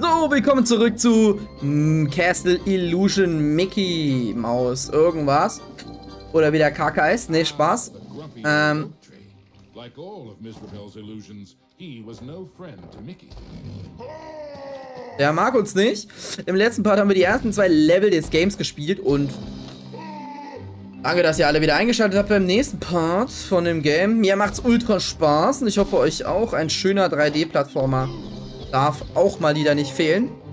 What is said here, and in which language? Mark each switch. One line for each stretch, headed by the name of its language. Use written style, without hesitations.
German: willkommen zurück zu Castle Illusion Mickey Maus irgendwas. Oder wie der Kaka ist. Nee, Spaß.
English: Like all of Miss Rebell's illusions, he was no friend to Mickey.
German: Der mag uns nicht. Im letzten Part haben wir die ersten zwei Level des Games gespielt und danke, dass ihr alle wieder eingeschaltet habt beim nächsten Part von dem Game. Mir macht's ultra Spaß und ich hoffe euch auch. Ein schöner 3D-Plattformer darf auch mal wieder nicht fehlen.